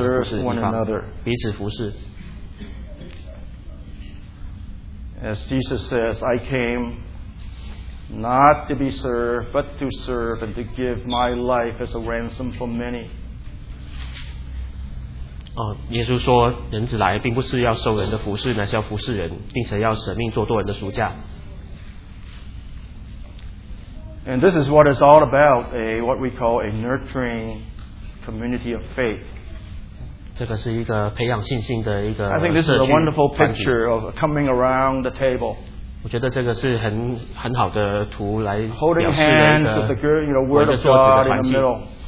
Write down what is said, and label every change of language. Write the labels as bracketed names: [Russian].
[Chinese] 这个是也是一个桌子很重要的一个部分，就是前来服侍的地方，桌子是前来服侍，彼此服侍。 [English] As Jesus says, I came not to be served, but to serve and to give my life as a ransom for many. [Chinese] 耶稣说，人子来并不是要受人的服侍，乃是要服侍人，并且要舍命做多人的赎价。 [English] And this is what it's all about, a what we call a nurturing community of faith. I think this is a wonderful picture of coming around the table. Holding hands with the girl, you know, word of God in the middle.